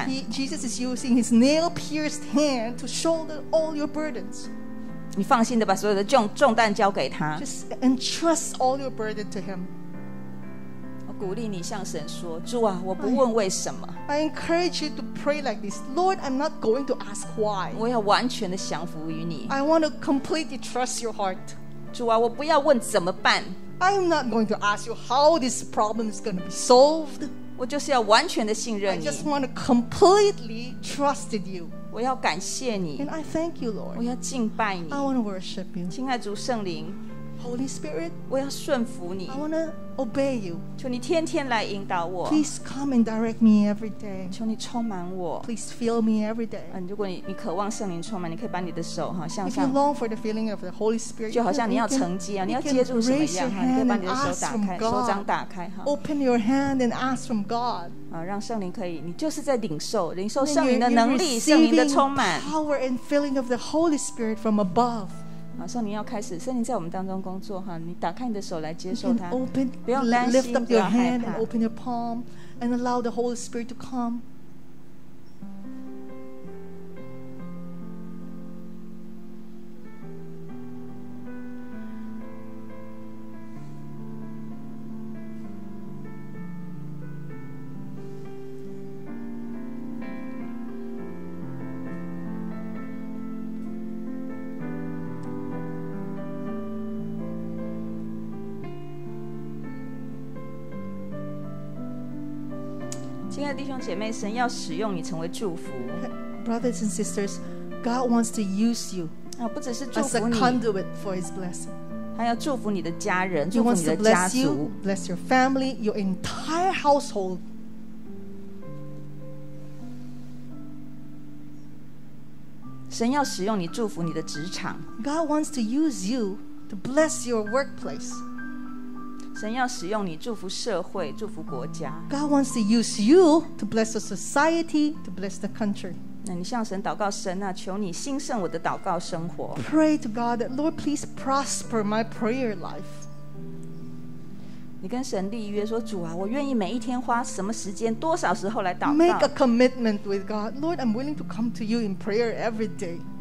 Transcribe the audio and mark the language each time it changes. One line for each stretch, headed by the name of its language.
English: Jesus is using his nail-pierced hand to shoulder all your burdens.
Chinese: 你放心地把所有的重担交给他。
English: Just entrust all your burden to him.
Chinese: 我鼓励你向神说, 主啊, 我不问为什么。
English: I encourage you to pray like this. Lord, I'm not going to ask why.
Chinese: 我要完全地降服于你。
English: I want to completely trust your heart.
Chinese: 主啊, 我不要问怎么办。
English: I'm not going to ask you how this problem is going to be solved.
Chinese: 我就是要完全地信任你。
English: I just want to completely trust in you.
Chinese: 我要感谢你,
English: and I thank you, Lord.
Chinese: 我要敬拜你,
English: I want to worship you.
Chinese: 亲爱主圣灵,
English: Holy Spirit,
Chinese: 我要顺服你,
English: I want to obey you.
Chinese: 求你天天来引导我,
English: please come and direct me every day.
Chinese: 求你充满我,
English: please fill me every day.
Chinese: 如果你渴望圣灵充满, 你可以把你的手, 向上,
English: if you long for the filling of the Holy Spirit,
Chinese: 就好像你要承接,
English: you can,
Chinese: 你要接住什么样,
English: raise your hand and ask from God.
Chinese: 手掌打开,
English: open your hand and ask from God.
Chinese: 让圣灵可以, 你就是在领受, 领受圣灵的能力, 圣灵的充满,
English: power and filling of the Holy Spirit from above.
Chinese: 圣灵要开始, 圣灵在我们当中工作, 哈, 你打开你的手来接受它,
English: you can open,
Chinese: 不用担心,
English: lift up your hand and open your palm and allow the Holy Spirit to come.
Chinese: 弟兄姐妹神要使用你成为祝福
English: Brothers and sisters, God wants to use you
Chinese: 不只是祝福你,
English: as a conduit for His blessing.
Chinese: 祂要祝福你的家人,
English: He wants to bless you, bless your family, your entire household.
Chinese: 神要使用你,
English: God wants to use you to bless your workplace.
Chinese: 神要使用你, 祝福社会, 祝福国家。
English: God wants to use you to bless the society, to bless the country.
Chinese: 那你向神祷告, 神啊, 求你兴盛我的祷告生活。
English: Pray to God that, Lord, please prosper my prayer life.
Chinese: 你跟神立约, 说, 主啊, 我愿意每一天花什么时间, 多少时候来祷告。
English: Make a commitment with God. Lord, I'm willing to come to you in prayer every day.